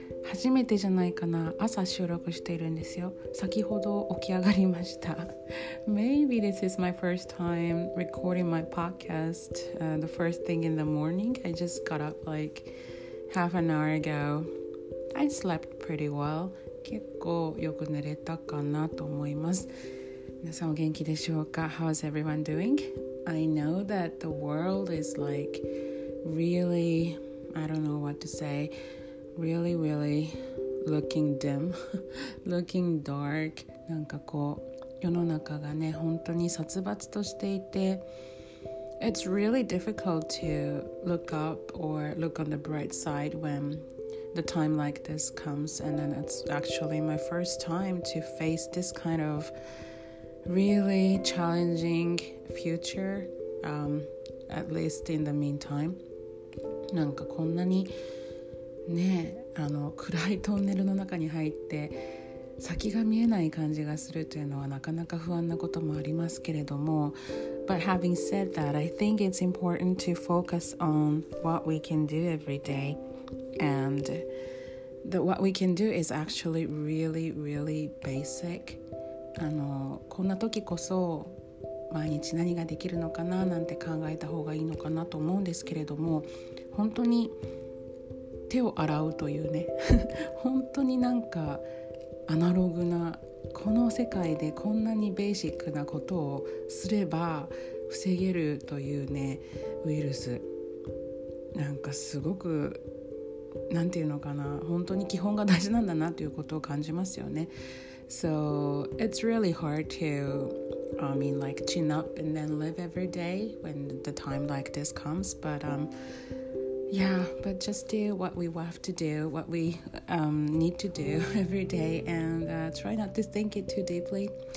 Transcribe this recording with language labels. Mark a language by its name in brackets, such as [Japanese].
[Japanese] 初めてじゃないかな、朝収録しているんですよ。先ほど起き上がりました。 [English] Maybe this is my first time recording my podcast, the first thing in the morning. I just got up like half an hour ago. I slept pretty well. [Japanese] 結構よく寝れたかなと思います。皆さんお元気でしょうか? [English] How's everyone doing? I know that the world is like... Really, I don't know what to say. Really, really looking dim, looking dark. [Japanese] なんかこう、世の中がね、本当に殺伐としていて、 [English] It's really difficult to look up or look on the bright side when the time like this comes. And then it's actually my first time to face this kind of really challenging future, at least in the meantime. [Japanese] なんかこんなにね、暗いトンネルの中に入って先が見えない感じがするというのはなかなか不安なこともありますけれども [English] But having said that, I think it's important to focus on what we can do every day and that what we can do is actually really, really basic. [Japanese] こんな時こそ毎日何ができるのかななんて考えた方がいいのかなと思うんですけれども本当に手を洗うというね本当になんかアナログなこの世界でこんなにベーシックなことをすれば防げるというねウイルスなんかすごくなんていうのかな本当に基本が大事なんだなということを感じますよね [English] So it's really hard toChin up and then live every day when the time like this comes. But but just do what we have to do, what we need to do every day and try not to think it too deeply.